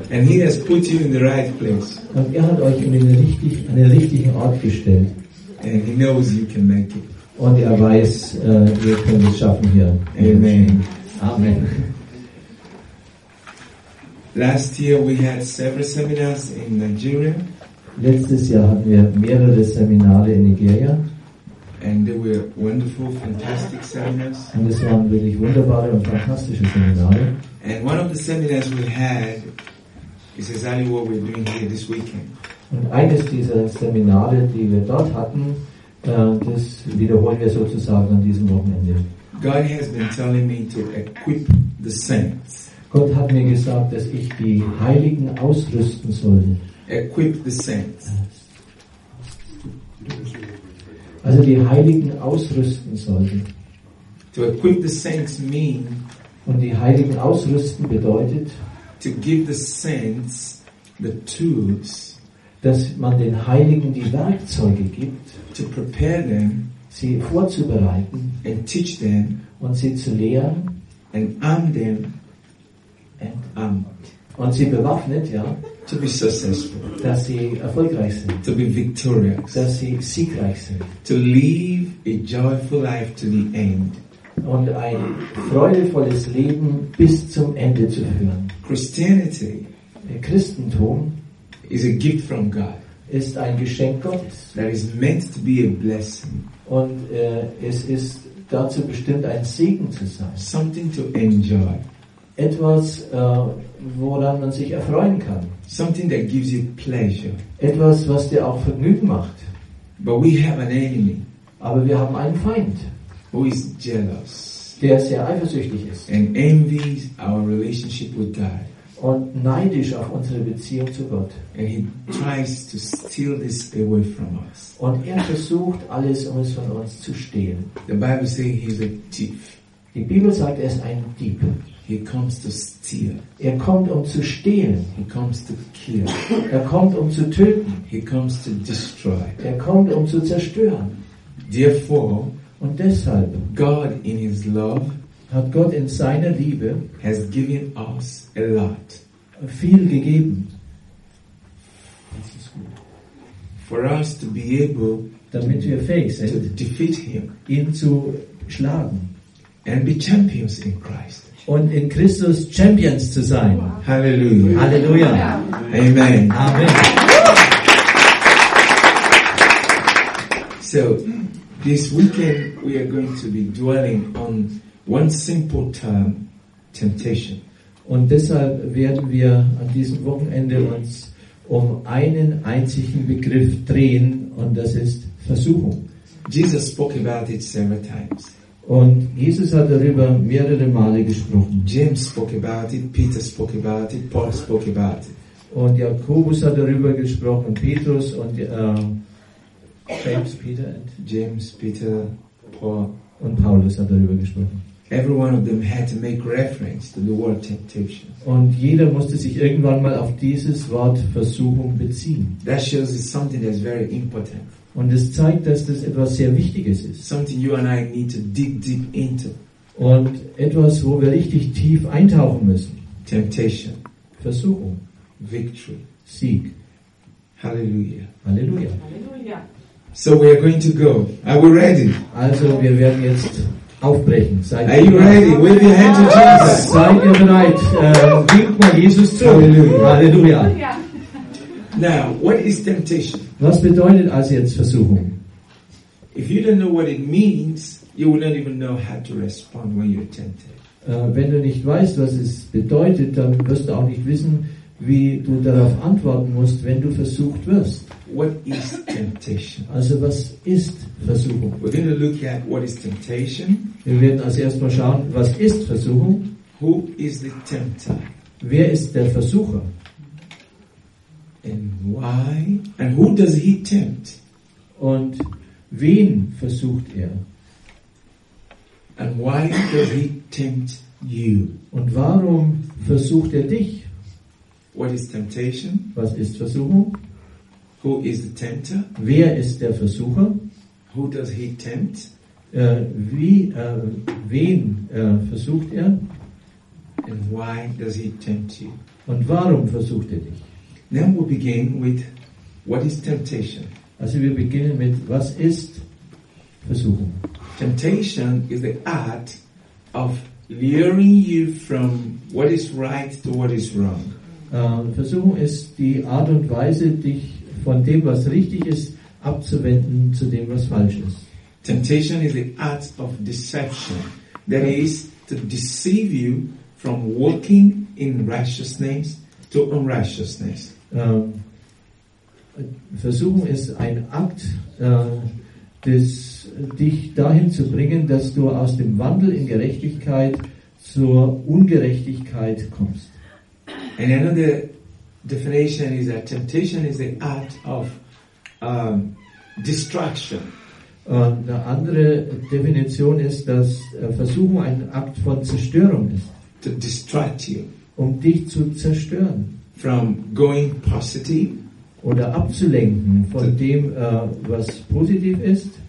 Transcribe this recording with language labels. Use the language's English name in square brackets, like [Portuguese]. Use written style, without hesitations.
[English] And he has put you in the right place. [German] Und er hat euch in einen richtigen Ort gestellt. [English] And he knows you can make it. [German] Und er weiß, ihr könnt es schaffen hier. [English] Amen. [German] Amen. [English] Last year we had several seminars in Nigeria. [German] Letztes Jahr hatten wir mehrere Seminare in Nigeria. [English] And they were wonderful, fantastic seminars. [German] Und es waren wirklich wunderbare und fantastische Seminare. [English] And one of the seminars we had is exactly what we're doing here this weekend. [German] Und eines dieser Seminare, die wir dort hatten, das wiederholen wir sozusagen an diesem Wochenende. [English] God has been telling me to equip the saints. [German] Gott hat mir gesagt, dass ich die Heiligen ausrüsten sollte. [English] Equip the saints. [German] Also die Heiligen ausrüsten sollte. [English] To equip the saints mean. [German] Und die Heiligen ausrüsten bedeutet. [English] To give the saints the tools. [German] Dass man den Heiligen die Werkzeuge gibt. [English] To prepare them. [German] Sie vorzubereiten. [English] And teach them. [German] Und sie zu lehren. [English] And arm them. And armed. [German] Und sie bewaffnet, ja. [English] To be successful. [German] Dass sie erfolgreich sind. [English] To be victorious. [German] Dass sie siegreich sind. [English] To live a joyful life to the end. [German] Und ein freudevolles Leben bis zum Ende zu führen. [English] Christianity. [German] Christentum. [English] Is a gift from God. [German] Ist ein Geschenk Gottes. [English] That is meant to be a blessing. [German] Und es ist dazu bestimmt, ein Segen zu sein. [English] Something to enjoy. [German] Etwas, woran man sich erfreuen kann. [English] Something that gives you pleasure. [German] Etwas, was dir auch Vergnügen macht. [English] But we have an enemy. [German] Aber wir haben einen Feind. [English] Who is jealous. [German] Der sehr eifersüchtig ist. [English] And envies our relationship with God. [German] Und neidisch auf unsere Beziehung zu Gott. [English] And he tries to steal this away from us. [German] Und er versucht alles, um es von uns zu stehlen. [English] The Bible says he's a thief. [German] Die Bibel sagt, er ist ein Dieb. [English] He comes to steal. [German] Er kommt, um zu stehlen. [English] He comes to kill. [German] Er kommt, um zu töten. [English] He comes to destroy. [German] Er kommt, um zu zerstören. [English] Therefore, [German] und deshalb, [English] God in his love, [German] hat Gott in seiner Liebe, [English] has given us a lot, [German] viel gegeben. Das ist gut. [English] for us to be able, [German] damit wir fähig sind, [English] to defeat him, [German] ihn zu schlagen, [English] and be champions in Christ, [German] und in Christus Champions zu sein. [English] Hallelujah. [German] Hallelujah. [English] Amen. [German] Amen. [English] So, this weekend we are going to be dwelling on one simple term, temptation. [German] Und deshalb werden wir an diesem Wochenende uns um einen einzigen Begriff drehen, und das ist Versuchung. [English] Jesus spoke about it several times. [German] Und Jesus hat darüber mehrere Male gesprochen. [English] James spoke about it, Peter spoke about it, Paul spoke about it. [German] Und Jakobus hat darüber gesprochen, Petrus und [English] James, Peter and James, Peter, Paul [German] und Paulus hat darüber gesprochen. [English] Every one of them had to make reference to the word temptation. [German] Und jeder musste sich irgendwann mal auf dieses Wort Versuchung beziehen. [English] That shows it's something that's very important. [German] Und es zeigt, dass das etwas sehr Wichtiges ist. [English] Something you and I need to dig deep into. [German] Und etwas, wo wir richtig tief eintauchen müssen. [English] Temptation. [German] Versuchung. [English] Victory. [German] Sieg. [English] Hallelujah. [German] Halleluja. Halleluja. [English] So we are going to go. Are we ready? [German] Also, wir werden jetzt aufbrechen. Seid [English] are you ready? Wave your hand to Jesus. [German] Seid ihr bereit? Winkt mal Jesus zu. [English] Halleluja. [German] Halleluja. [English] Now, what is temptation? [German] Was bedeutet also jetzt Versuchung? [English] If you don't know what it means, you will not even know how to respond when you're tempted. [German] Wenn du nicht weißt, was es bedeutet, dann wirst du auch nicht wissen, wie du darauf antworten musst, wenn du versucht wirst. [English] What is temptation? [German] Also, was ist Versuchung? [English] We're going to look at what is temptation. [German] Wir werden also erstmal schauen, was ist Versuchung? [English] Who is the tempter? [German] Wer ist der Versucher? [English] And why? And who does he tempt? [German] Und wen versucht er? [English] And why does he tempt you? [German] Und warum versucht er dich? [English] What is temptation? [German] Was ist Versuchung? [English] Who is the tempter? [German] Wer ist der Versucher? [English] Who does he tempt? [German] Versucht er? [English] And why does he tempt you? [German] Und warum versucht er dich? [English] Then we begin with what is temptation. [German] Also wir beginnen mit was ist Versuchung. [English] Temptation is the art of luring you from what is right to what is wrong. [German] Versuchung ist die Art und Weise, dich von dem, was richtig ist, abzuwenden zu dem, was falsch ist. [English] Temptation is the art of deception. That is to deceive you from walking in righteousness to unrighteousness. [German] Versuchung ist ein Akt, dich dahin zu bringen, dass du aus dem Wandel in Gerechtigkeit zur Ungerechtigkeit kommst. [English] And another definition is that temptation is the act of destruction. [German] Eine andere Definition ist, dass Versuchung ein Akt von Zerstörung ist. [English] To distract you. [German] Um dich zu zerstören. [English] From going positive, [German] oder abzulenken von dem, was positiv ist,